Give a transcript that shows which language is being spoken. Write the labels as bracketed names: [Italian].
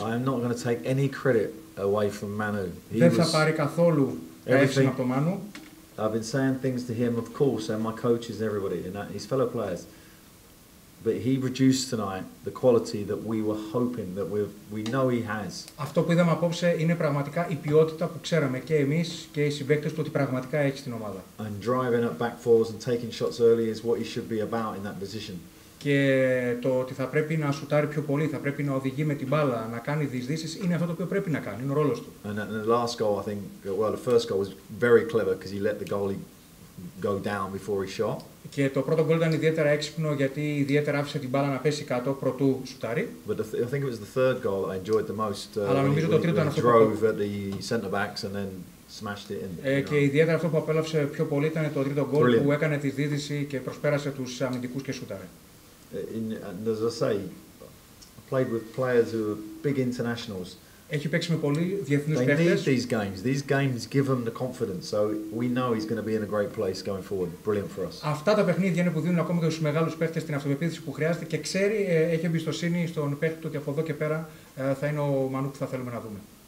[English] I'm not going to take any credit away from Manu. [Greek] Δεν θα πάρει καθόλου έψη από τον Μάνου. [English] I've been saying things to him, of course, and my coaches, everybody, and his fellow players. But he reduced tonight the quality that we were hoping that we know he has. [Greek] Αυτό που είδαμε απόψε είναι πραγματικά η ποιότητα που ξέραμε και εμείς και οι συμπαίκτες του ότι πραγματικά έχει στην ομάδα. [English] And driving up back fours and taking shots early is what he should be about in that position. [Greek] Και το ότι θα πρέπει να σουτάρει πιο πολύ, θα πρέπει να οδηγεί με την μπάλα, να κάνει διεισδύσεις, είναι αυτό το οποίο πρέπει να κάνει, είναι ο ρόλος του. [English] And the last goal, I think, well, the first goal was very clever because he let the goalie go down before he shot. [Greek] Και το πρώτο γκολ ήταν ιδιαίτερα έξυπνο γιατί ιδιαίτερα άφησε την μπάλα να πέσει κάτω προτού σουτάρει. [English] But I think it was the third goal I enjoyed the most. [Greek] Αλλά νομίζω το τρίτο ήταν αυτό. [English] Drove at the center backs and then smashed it in. [Greek] Και ιδιαίτερα αυτό που απέλαψε πιο πολύ ήταν το τρίτο γκολ που έκανε τη δίδυση και προσπέρασε τους αμυντικούς και σουτάρει. [English] As I say, I played with players who are big internationals. [Greek] Έχει παίξει με πολλοί διεθνείς παίκτες. [English] They need these games. These games give them the confidence. So we know he's going to be in a great place going forward. Brilliant for us. [Greek] Αυτά τα παιχνίδια είναι που δίνουν ακόμα και στους μεγάλους παίκτες την αυτοπεποίθηση που χρειάζεται και ξέρει, έχει εμπιστοσύνη στον παίκτη του και από εδώ και πέρα θα είναι ο Μανού που θα θέλουμε να δούμε.